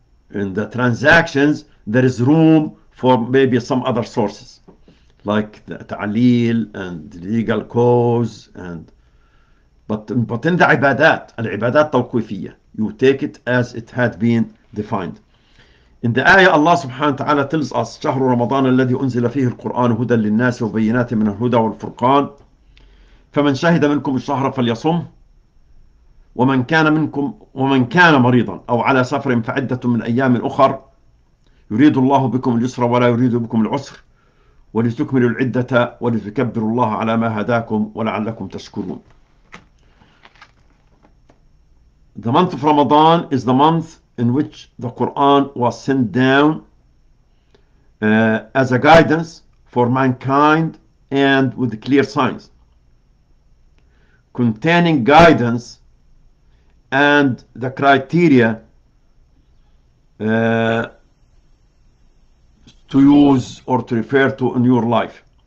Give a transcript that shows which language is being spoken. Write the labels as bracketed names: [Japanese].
[English] In the transactions, there is room for maybe some other sources, like the ta'aleel and legal cause. But in the ibadat, [Arabic] al-ibadat tawqifiyya, [English] you take it as it had been defined. In the ayah, Allah subhanahu wa ta'ala tells us, [Arabic] شهر رمضان الذي أنزل فيه القرآن هدى للناس وبينات من الهدى والفرقان فمن شهد منكم الشهر فليصم ومن كان منكم ومن كان مريضا أو على سفر فعدة من أيام أخر يريد الله بكم اليسر ولا يريد بكم العسر ولتكملوا العدة ولتكبروا الله على ما هداكم ولعلكم تشكرون. [English] The month of Ramadan is the month in which the Quran was sent down as a guidance for mankind and with clear signs, containing guidance and the criteria to use or to refer to in your life.